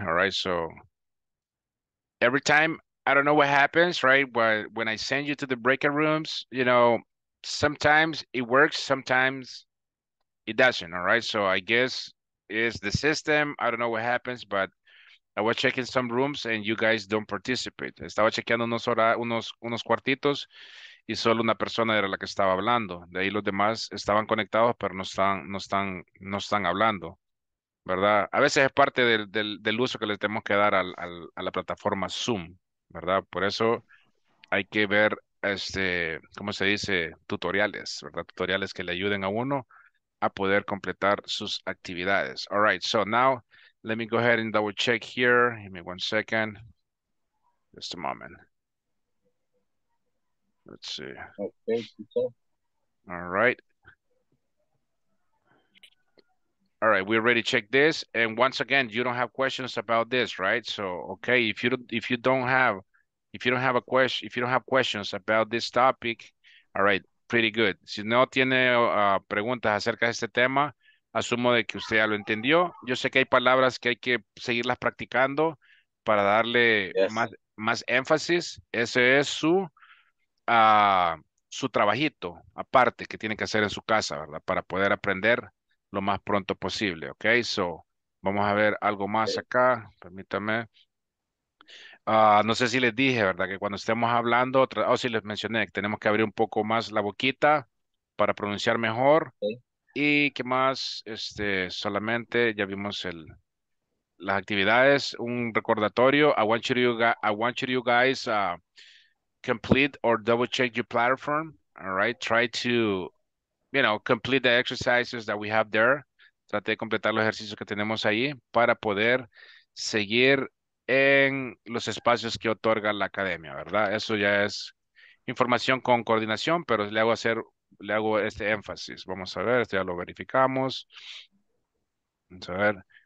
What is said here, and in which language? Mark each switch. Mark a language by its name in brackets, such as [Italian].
[English] All right, so every time, I don't know what happens, right? But when I send you to the breakout rooms, you know, sometimes it works, sometimes it doesn't, all right? So I guess it's the system. I don't know what happens, but I was checking some rooms and you guys don't participate. [Spanish] Estaba chequeando unos cuartitos y solo una persona era la que estaba hablando. De ahí los demás estaban conectados, pero no están hablando, ¿verdad? A veces es parte del uso que le tenemos que dar a la plataforma Zoom, ¿verdad? Por eso hay que ver, ¿cómo se dice? Tutoriales, ¿verdad? Tutoriales que le ayuden a uno a poder completar sus actividades. [English] All right, so now let me go ahead and double check here. Give me 1 second. Just a moment. Let's see. Okay. All right. All right, we already checked this. And once again, you don't have questions about this, right? So, okay, if you don't have questions about this topic, all right, pretty good. [Spanish] Si no tiene preguntas acerca de este tema, asumo de que usted ya lo entendió. Yo sé que hay palabras que hay que seguirlas practicando para darle más énfasis. Ese es su trabajito aparte que tiene que hacer en su casa, ¿verdad? Para poder aprender lo más pronto posible, ¿ok? So, vamos a ver algo más acá, permítame. No sé si les dije, ¿verdad? Que cuando estemos hablando, si les mencioné, que tenemos que abrir un poco más la boquita para pronunciar mejor. Okay. Y qué más, solamente ya vimos las actividades, un recordatorio. [English] I want you guys complete or double check your platform, all right? Try to, you know, complete the exercises that we have there. [Spanish] Trate de completar los ejercicios que tenemos ahí para poder seguir en los espacios que otorga la academia, ¿verdad? Eso ya es información con coordinación, pero le hago este énfasis. Vamos a ver, esto ya lo verificamos. Vamos a ver.